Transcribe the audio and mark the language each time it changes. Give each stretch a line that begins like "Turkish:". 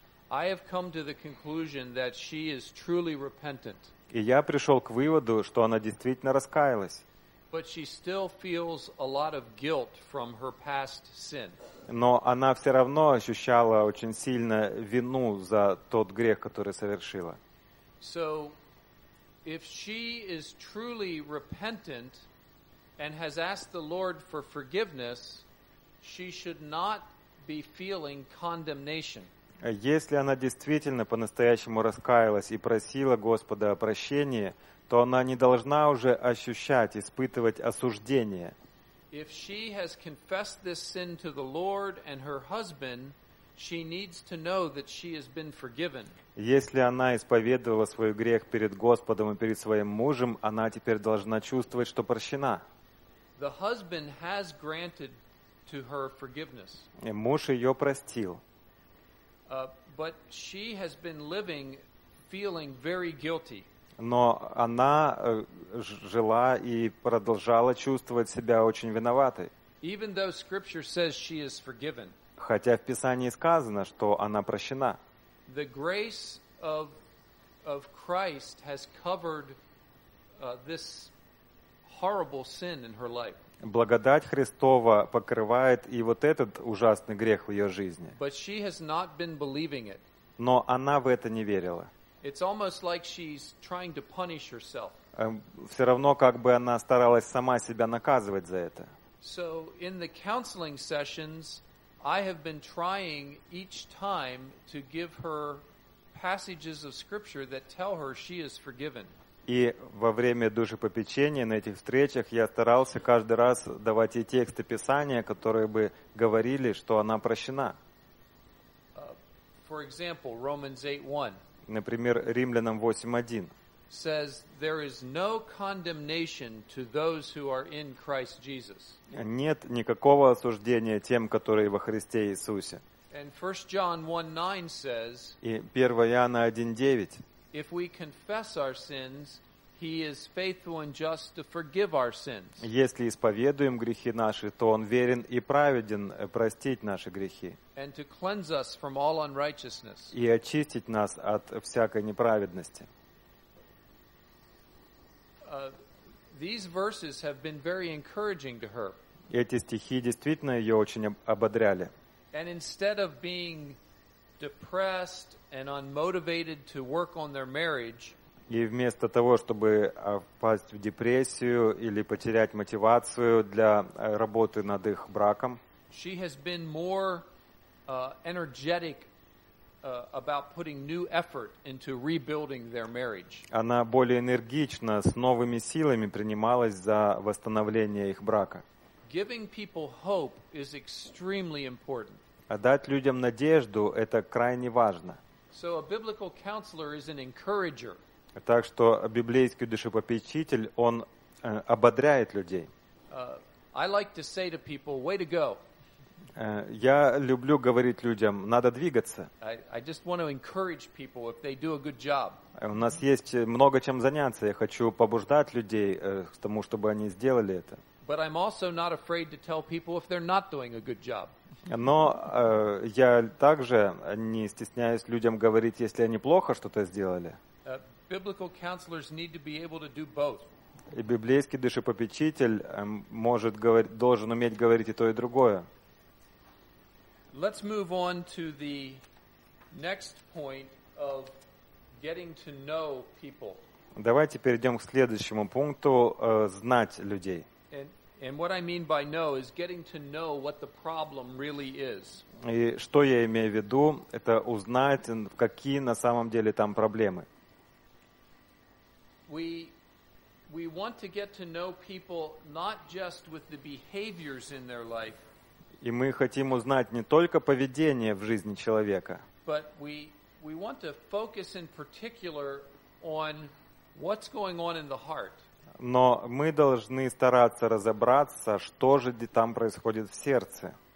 English: I have come to the conclusion that she is truly repentant.
Russian: И я пришел к выводу, что она действительно раскаялась.
English: But she still feels a lot of guilt from her past sin.
Russian: Но она все равно ощущала очень сильно вину за тот грех, который совершила.
English: So, if she is truly repentant and has asked the Lord for forgiveness, she should not be feeling condemnation.
Russian: Если она действительно по-настоящему раскаялась и просила Господа о прощении, то она не должна уже ощущать, испытывать осуждение.
English: If she has confessed this sin to the Lord and her husband, she needs to know that she has been forgiven.
Russian: Если она исповедовала свой грех перед Господом и перед своим мужем, она теперь должна чувствовать, что прощена.
English: The husband has granted to her forgiveness.
Russian: И муж ее простил.
English: But she has been living, feeling very guilty.
Russian: Но она жила и продолжала чувствовать себя очень виноватой.
English: Even though Scripture says she is forgiven.
Russian: Хотя в Писании сказано, что она прощена.
English: The grace of Christ has covered this horrible sin in her life.
Russian: Благодать Христова покрывает и вот этот ужасный грех в ее жизни.
English: But she has not been believing it.
Russian: Но она в это не верила.
English: It's almost like she's trying to punish herself.
Russian: Все равно, как бы она старалась сама себя наказывать за это.
English: So in the counseling sessions, I have been trying each time to give her passages of Scripture that tell her she is forgiven.
Russian: И во время душепопечения на этих встречах я старался каждый раз давать ей тексты Писания, которые бы говорили, что она прощена.
English: For example, Romans 8:1.
Russian: Например, Римлянам 8:1.
English: Says there is no condemnation to those who are in Christ Jesus.
Russian: Нет никакого осуждения тем, которые во Христе Иисусе.
English: And 1 John 1:9 says,
Russian: и 1 Иоанна 1:9.
English: If we confess our sins, he is faithful and just to forgive our sins.
Russian: Если исповедуем грехи наши, то он верен и праведен простить наши грехи.
English: And to cleanse us from all unrighteousness.
Russian: И очистить нас от всякой неправедности.
English: These verses have been very encouraging to her.
Russian: Эти стихи действительно её очень ободряли.
English: And instead of being depressed and unmotivated to work on their marriage,
Russian: и вместо того, чтобы впасть в депрессию или потерять мотивацию для работы над их браком,
English: she has been more energetic about putting new effort into rebuilding their marriage.
Russian: Она более энергично, с новыми силами принималась за восстановление их брака.
English: Giving people hope is extremely important.
Russian: А дать людям надежду – это крайне важно.
English: So a biblical counselor is an encourager.
Russian: Так что библейский душепопечитель, он ободряет людей.
English: I like to say to people, way to go.
Russian: Я люблю говорить людям, надо двигаться.
English: I just want to encourage people if they do a good job.
Russian: У нас есть много чем заняться. Я хочу побуждать людей к тому, чтобы они сделали это.
English: But I'm also not afraid to tell people if they're not doing a good job.
Russian: Но я также не стесняюсь людям говорить, если они плохо что-то сделали.
English: Biblical counselors need to be able to do both.
Russian: И библейский душепопечитель может говорить, должен уметь говорить и то, и другое.
English: Let's move on to the next point of getting to know people.
Russian: Давайте перейдем к следующему пункту, знать людей.
English: And what I mean by know is getting to know what the problem really is.
Russian: И что я имею в виду, это узнать, какие на самом деле там проблемы.
English: We want to get to know people not just with the behaviors in their life.
Russian: И мы хотим узнать не только поведение в жизни человека.
English: But we want to focus in particular on what's going on in the heart.
Russian: Но мы должны стараться разобраться, что же там происходит в сердце.